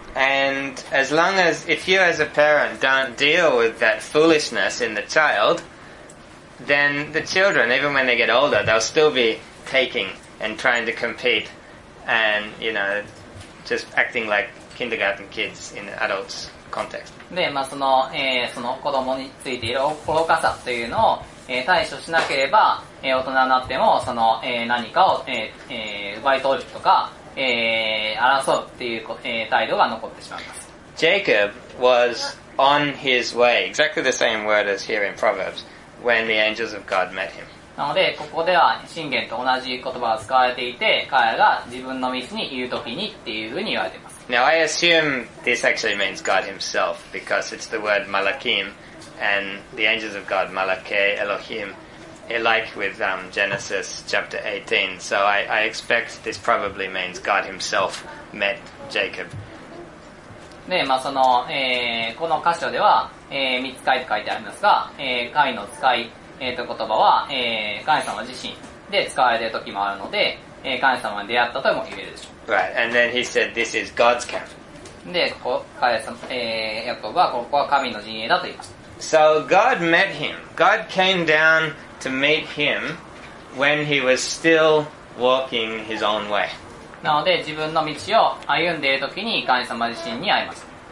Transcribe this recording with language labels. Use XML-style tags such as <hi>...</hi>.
<en>And as long as if you as a parent don't deal with that foolishness in the child, then the children, even when they get older, they'll still be taking and trying to compete and, you know, just acting like kindergarten kids in an adult's context.</en> <ja>で、まあ、その、その子供についている愚かさというのを、対処しなければ、大人になっても、その、何かを、奪い取るとか、争うっていう、態度が残ってしまいます。</ja> <en>Jacob was on his way, exactly the same word as here in Proverbs, when the angels of God met him.</en> <ja>なので、ここでは、信玄と同じ言葉が使われていて、彼が自分の道にいるときにっていうふうに言われています。</ja> <en>Now I assume this actually means God himself, because it's the word Malachim, and the angels of God, Malachi, Elohim,Like with Genesis chapter 18. So I expect this probably means God himself met Jacob.</en> <ja>で、まあ、その、この箇所では、御使いと書いてありますが、神の使い、言葉は、神様自身で使われている時もあるので、神様に出会ったとも言えるでしょう。</ja> <en>Right, and then he said, this is God's camp.</en> <ja>で、ここ、神様、ヤコブは、ここは神の陣営だと言いました。</ja> <en>So God met him. God came downTo meet him when he was still walking his own way.</en> <ja>なので自分の道を歩んでいるときに神様自身に会います。</ja>